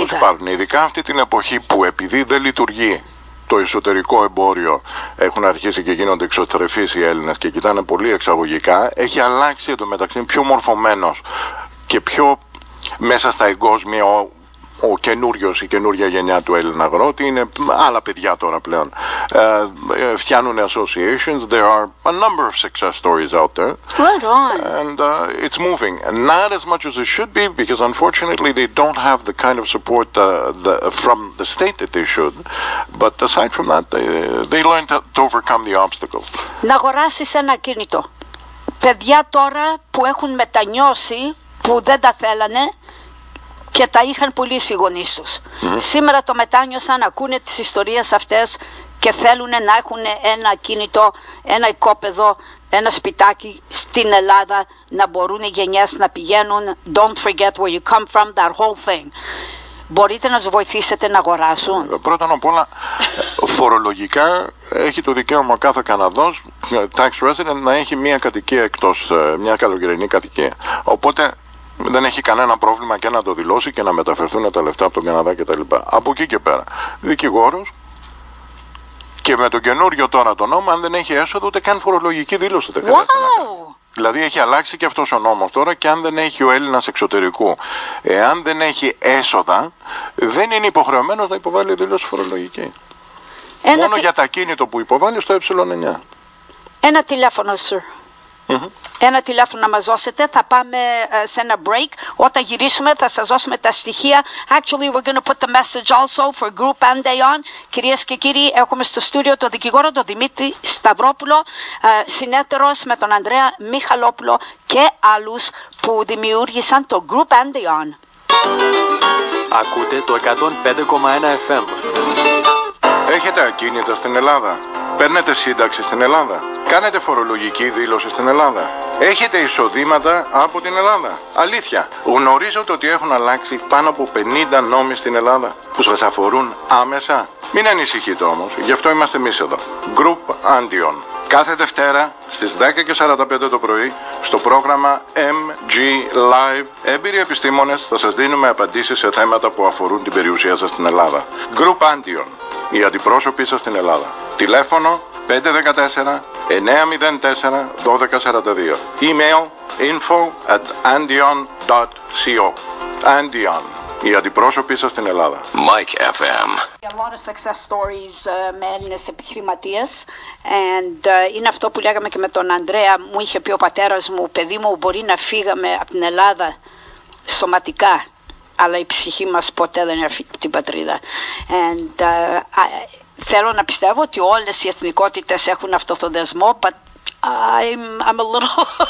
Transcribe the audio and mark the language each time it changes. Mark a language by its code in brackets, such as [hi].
[el] Όσο υπάρχουν, ειδικά αυτή την εποχή που, επειδή δεν λειτουργεί το εσωτερικό εμπόριο, έχουν αρχίσει και γίνονται εξωστρεφείς οι Έλληνες και κοιτάνε πολύ εξαγωγικά, έχει αλλάξει εντωμεταξύ, πιο μορφωμένος και πιο μέσα στα εγκόσμια ο καινούριος, η καινούρια γενιά του Έλληνα αγρότη, είναι άλλα παιδιά τώρα πλέον. Φτιάνουν [en] associations, there are a number of success stories out there. Right on. And it's moving. Not as much as it should be, because unfortunately they don't have the kind of support from the state that they should. But aside from that, they learn to overcome the obstacles. [el] Να αγοράσεις ένα κινητό. Παιδιά τώρα που έχουν μετανιώσει, που δεν τα θέλανε, και τα είχαν πουλήσει οι γονείς τους. Σήμερα το μετάνιωσαν, ακούνε τις ιστορίες αυτές και θέλουν να έχουν ένα κίνητο, ένα οικόπεδο, ένα σπιτάκι στην Ελλάδα, να μπορούν οι γενιές να πηγαίνουν. [en] Don't forget where you come from, that whole thing. [el] Μπορείτε να τους βοηθήσετε να αγοράσουν? Πρώτα απ' όλα, φορολογικά έχει το δικαίωμα κάθε Καναδός tax resident να έχει μια κατοικία εκτός, μια καλοκαιρινή κατοικία. Οπότε δεν έχει κανένα πρόβλημα και να το δηλώσει και να μεταφερθούν τα λεφτά από τον Καναδά κτλ. Από εκεί και πέρα, δικηγόρος, και με το καινούριο τώρα το νόμο, αν δεν έχει έσοδο, ούτε καν φορολογική δήλωση δεν χρειάζεται. [en] Wow. [el] Δηλαδή έχει αλλάξει και αυτός ο νόμος τώρα, και αν δεν έχει ο Έλληνας εξωτερικού, εάν δεν έχει έσοδα, δεν είναι υποχρεωμένος να υποβάλει δήλωση φορολογική. Μόνο για τα ακίνητο που υποβάλλει στο Ε9. Ένα τηλέφωνο, sir. Ένα τηλέφωνο να μας δώσετε. Θα πάμε σε ένα break. Όταν γυρίσουμε θα σας δώσουμε τα στοιχεία. [en] Actually we're going to put the message also for group and day on. [el] Κυρίες και κύριοι, έχουμε στο στούντιο το δικηγόρο, τον Δημήτρη Σταυρόπουλο, συνέτερος με τον Ανδρέα Μιχαλόπουλο και άλλους που δημιούργησαν το group and day on. Ακούτε το 105,1 FM. Έχετε ακίνητα στην Ελλάδα? Παίρνετε σύνταξη στην Ελλάδα? Κάνετε φορολογική δήλωση στην Ελλάδα? Έχετε εισοδήματα από την Ελλάδα? Αλήθεια, γνωρίζετε ότι έχουν αλλάξει πάνω από 50 νόμοι στην Ελλάδα που σας αφορούν άμεσα? Μην ανησυχείτε όμως, γι' αυτό είμαστε εμείς εδώ. Group Antion. Κάθε Δευτέρα στις 10:45 το πρωί στο πρόγραμμα MG Live, έμπειροι επιστήμονες θα σας δίνουμε απαντήσεις σε θέματα που αφορούν την περιουσία σας στην Ελλάδα. Group Antion. Οι αντιπρόσωποι σας στην Ελλάδα. Τηλέφωνο 514 904-1242. Email info@andion.co. Andion. Οι αντιπρόσωποι σας στην Ελλάδα. [en] Mike FM. A lot of success stories [el] με Έλληνες επιχειρηματίες. And είναι αυτό που λέγαμε και με τον Ανδρέα. Μου είχε πει ο πατέρας μου, παιδί μου, μπορεί να φύγαμε από την Ελλάδα σωματικά, αλλά η ψυχή μας ποτέ δεν έρθει από την πατρίδα. And θέλω να πιστεύω ότι όλες οι εθνικότητες έχουν αυτό το δεσμό, [en] but I'm a little...